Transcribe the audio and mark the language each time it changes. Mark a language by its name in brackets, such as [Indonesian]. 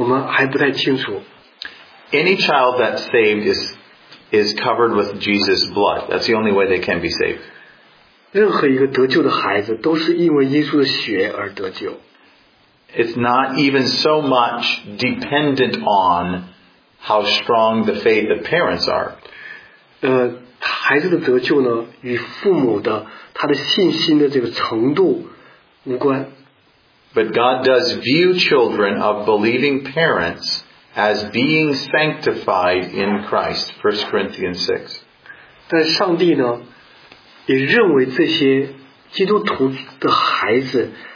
[Chinese] 就是来讲的，刚才讲的是一个大的一个大的独特信条。那个别来讲，孩子们在一点一点的长大，一点一点的这个明白事理的时候，他们在什么时间他们会认识到并且悔改呢？我们还不太清楚。 [English] Any child that saved is covered with Jesus' blood. That's the only way they can be saved. [Chinese] 任何一个得救的孩子都是因为耶稣的血而得救。 [English] It's not even so much dependent on how strong the faith of parents are. [Chinese] 孩子的得救呢，与父母的他的信心的这个程度无关。 [English] But God does view children of believing parents as being sanctified in Christ, 1 Corinthians 6. [Chinese] 但上帝呢，也认为这些基督徒的孩子。